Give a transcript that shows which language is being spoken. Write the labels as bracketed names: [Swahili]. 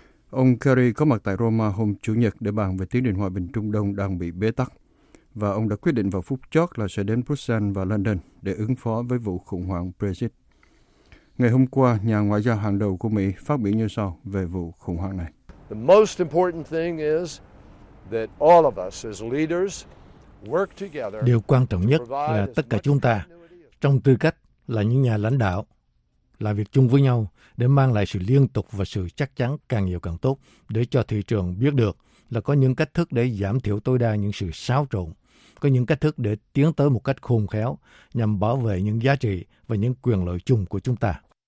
[Vietnamese] Ông Kerry có mặt tại Roma hôm Chủ nhật để bàn về tiến trình hòa bình Trung Đông đang bị bế tắc, và ông đã quyết định vào phút chót là sẽ đến Brussels và London để ứng phó với vụ khủng hoảng Brexit. Ngày hôm qua, nhà ngoại giao hàng đầu của Mỹ phát biểu như sau về vụ khủng hoảng này. [English] The most important thing is that all of us as leaders work together. [Vietnamese] Điều quan trọng nhất là tất cả chúng ta, trong tư cách là những nhà lãnh đạo, làm việc chung với nhau để mang lại sự liên tục và sự chắc chắn càng nhiều càng tốt, để cho thị trường biết được là có những cách thức để giảm thiểu tối đa những sự xáo trộn, có những cách thức để tiến tới một cách khôn khéo nhằm bảo vệ những giá trị và những quyền lợi chung của chúng ta.